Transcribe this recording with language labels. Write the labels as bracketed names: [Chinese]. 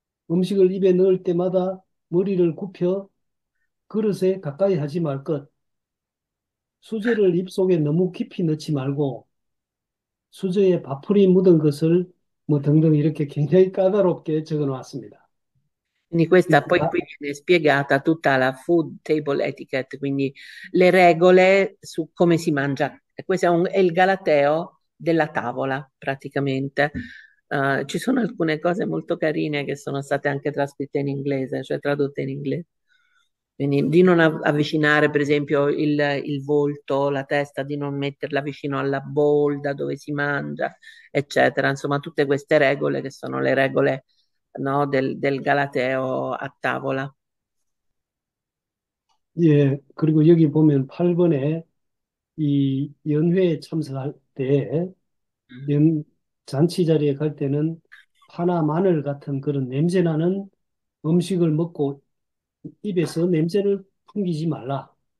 [Korean] 음식을 입에 넣을 때마다 머리를 굽혀 그릇에 가까이 하지 말 것. 수저를 입속에 너무 깊이 넣지 말고, 수저에 밥풀이 묻은 것을, 뭐 등등 이렇게 굉장히 까다롭게 적어 놨습니다. [Italian] Quindi questa poi qui viene spiegata tutta la food table etiquette, quindi le regole su come si mangia. Questo è il galateo della tavola, praticamente. Ci sono alcune cose molto carine che sono state anche trascritte in inglese, cioè tradotte in inglese. Quindi di non avvicinare, per esempio, il volto, la testa, di non metterla vicino alla bowl da dove si mangia, eccetera. Insomma, tutte queste regole che sono le regole. No, del Galateo a tavola. [Korean] 예, 그리고 여기 보면 8번에 이 연회에 참석할 때, 잔치 자리에 갈 때는 파나 마늘 같은 그런 냄새 나는 음식을 먹고 입에서 냄새를 풍기지 말라.